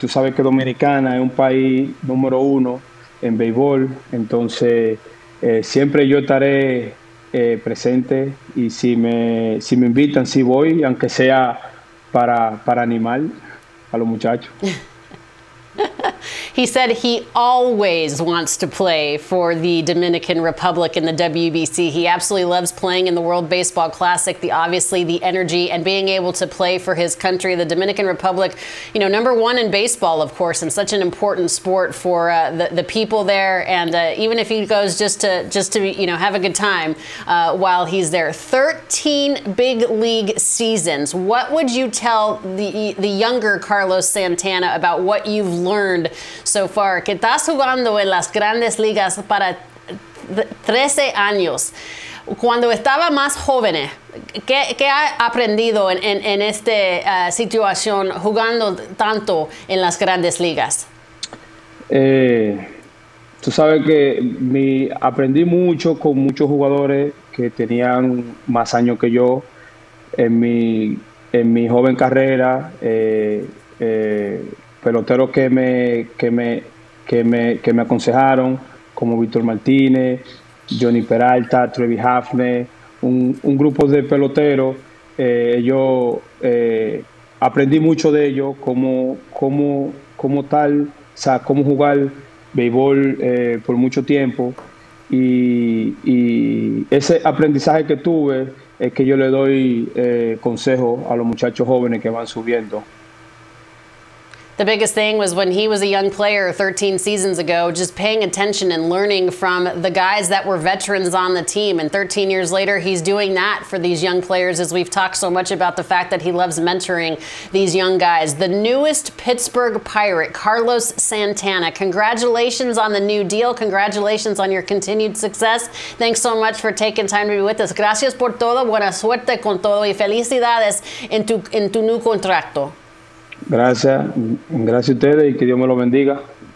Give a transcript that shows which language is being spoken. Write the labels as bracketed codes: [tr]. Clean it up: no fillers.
[es] Tú sabes que Dominicana es un país número uno en béisbol, entonces siempre yo estaré presente y si me invitan, sí voy, aunque sea para animar a los muchachos. [en] He said he always wants to play for the Dominican Republic in the WBC. He absolutely loves playing in the World Baseball Classic, obviously the energy and being able to play for his country. The Dominican Republic, you know, number one in baseball, of course, and such an important sport for the people there. And even if he goes just to you know, have a good time while he's there. 13 big league seasons. What would you tell the younger Carlos Santana about what you've learned so far? [es] Que estás jugando en las grandes ligas para 13 años. Cuando estaba más joven, ¿qué ha aprendido en esta situación jugando tanto en las grandes ligas? Tú sabes que aprendí mucho con muchos jugadores que tenían más años que yo en mi joven carrera. Peloteros que me aconsejaron, como Víctor Martínez, Johnny Peralta, Trevi Hafner, un grupo de peloteros, ellos aprendí mucho de ellos, como tal, o sea, cómo jugar béisbol por mucho tiempo. Y ese aprendizaje que tuve es que yo le doy consejo a los muchachos jóvenes que van subiendo. [en] The biggest thing was when he was a young player 13 seasons ago, just paying attention and learning from the guys that were veterans on the team. And 13 years later, he's doing that for these young players, as we've talked so much about the fact that he loves mentoring these young guys. The newest Pittsburgh Pirate, Carlos Santana, congratulations on the new deal. Congratulations on your continued success. Thanks so much for taking time to be with us. [es] Gracias por todo. Buena suerte con todo y felicidades en tu new contrato. Gracias, gracias a ustedes y que Dios me lo bendiga.